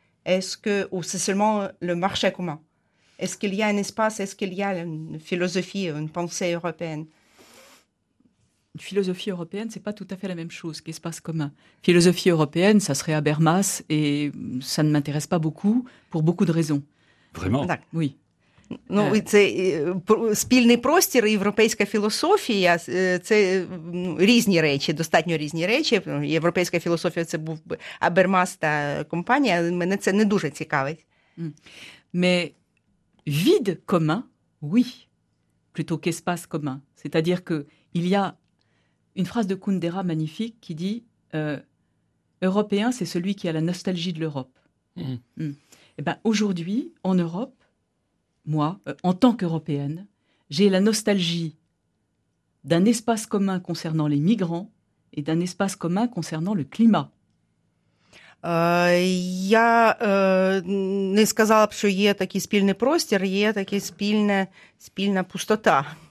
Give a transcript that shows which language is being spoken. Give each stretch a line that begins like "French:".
French: Est-ce que, ou c'est seulement le marché commun? Est-ce qu'il y a un espace, est-ce qu'il y a une philosophie, une pensée européenne? Une philosophie européenne, ce n'est pas tout à fait la même chose qu'espace commun. Philosophie européenne, ça serait Habermas, et ça ne m'intéresse pas beaucoup, pour beaucoup de raisons. Vraiment? Oui.
Ukrainian: Ну, це спільний простір, європейська філософія, це різні речі, достатньо різні речі. Європейська філософія – це був Абермас та компанія, мене це не дуже цікавить.
French: Mais vide commun, oui, plutôt qu'espace commun. C'est-à-dire qu'il y a une phrase de Kundera magnifique qui dit « Européen, c'est celui qui a la nostalgie de l'Europe. » Et ben, aujourd'hui, en Europe, moi, en tant qu'Européenne, j'ai la nostalgie d'un espace commun concernant les migrants et d'un espace commun concernant le climat.
Ukrainian: Я не сказала б, що є такий спільний простір, є така спільна пустота.